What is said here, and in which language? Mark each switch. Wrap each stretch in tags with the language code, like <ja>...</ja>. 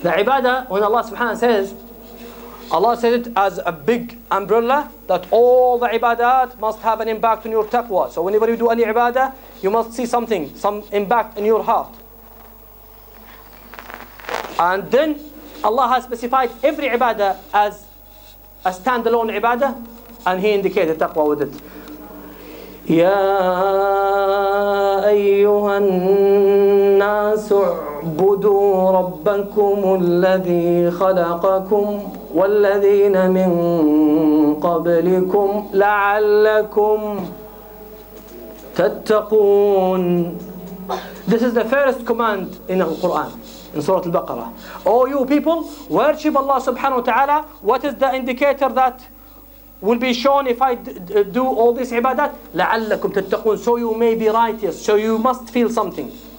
<en>The ibadah, when Allah subhanahu wa ta'ala says, Allah said it as a big umbrella that all the ibadat must have an impact on your taqwa. So whenever you do any ibadah, you must see something, some impact in your heart. And then Allah has specified every ibadah as a standalone ibadah, and He indicated taqwa with it.</en> <ar>يا أيها الناس اعبدوا ربكم الذي خلقكم والذين من قبلكم لعلكم تتقون.</ar> <en>This is the first command in the Quran, in Surah Al-Baqarah. Oh you people, worship Allah subhanahu wa ta'ala. What is the indicator that will be shown if I do all this ibadat?</en> <ar>لَعَلَّكُمْ تَتَّقُونَ.</ar> <en>So you may be righteous. So you must feel something.</en>